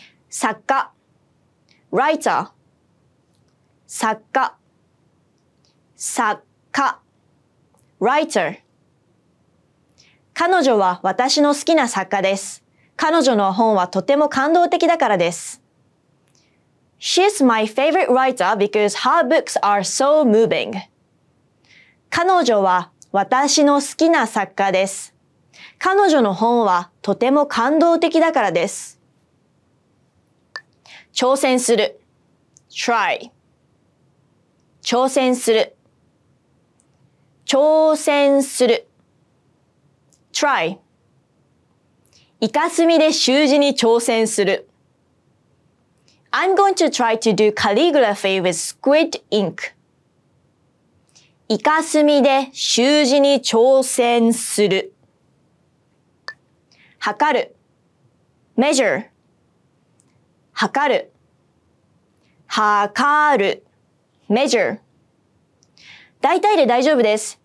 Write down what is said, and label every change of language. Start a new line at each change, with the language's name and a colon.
Japanese: 作家 writer 作家作家 writer 彼女は私の好きな作家です。彼女の本はとても感動的だからです。
English: She's my favorite writer because her books are so moving.
Japanese: 彼女は私の好きな作家です。彼女の本はとても感動的だからです。挑戦する。try 挑戦する。挑戦する。try イカスミで習字に挑戦する。
English: I'm going to try to do calligraphy with squid ink.
Japanese: イカスミで習字に挑戦する。測る。measure。 測る。測る。measure。 大体で大丈夫です。